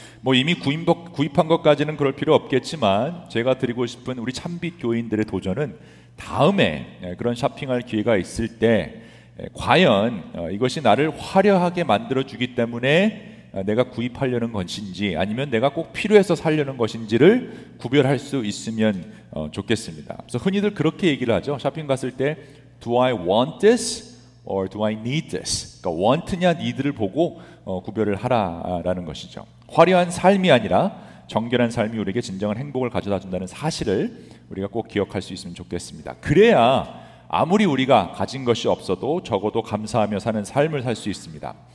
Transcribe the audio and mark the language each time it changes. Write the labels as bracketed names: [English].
[Korean] 뭐 이미 구입한 것까지는 그럴 필요 없겠지만 제가 드리고 싶은 우리 찬빛 교인들의 도전은 다음에 그런 쇼핑할 기회가 있을 때 과연 이것이 나를 화려하게 만들어주기 때문에 내가 구입하려는 것인지 아니면 내가 꼭 필요해서 살려는 것인지를 구별할 수 있으면 좋겠습니다. 그래서 흔히들 그렇게 얘기를 하죠. 쇼핑 갔을 때 [English] Do I want this or do I need this? [Korean] 그러니까 want냐 need를 보고 구별을 하라라는 것이죠. 화려한 삶이 아니라 정결한 삶이 우리에게 진정한 행복을 가져다 준다는 사실을 우리가 꼭 기억할 수 있으면 좋겠습니다. 그래야 아무리 우리가 가진 것이 없어도 적어도 감사하며 사는 삶을 살 수 있습니다.